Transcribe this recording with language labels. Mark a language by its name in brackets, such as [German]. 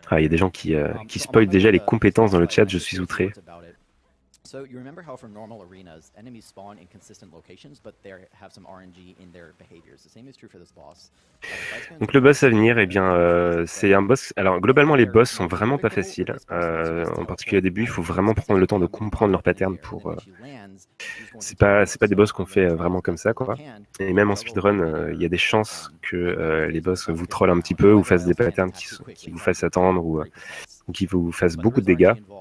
[French] Ah, il y a des gens qui spoilent déjà les compétences dans le chat, je suis outré. [English] So you remember how from normal arenas, enemies spawn in consistent locations, but they have some RNG in their behaviors. The same is true for this boss. [French] Donc le boss à venir, eh bien, c'est un boss... Alors globalement, les boss sont vraiment pas faciles. En particulier au début, il faut vraiment prendre le temps de comprendre leurs patterns pour... C'est pas des boss qu'on fait vraiment comme ça, quoi. Et même en speedrun, il y a des chances que les boss vous trollent un petit peu ou fassent des patterns qui vous fassent attendre ou qui vous fassent beaucoup de dégâts.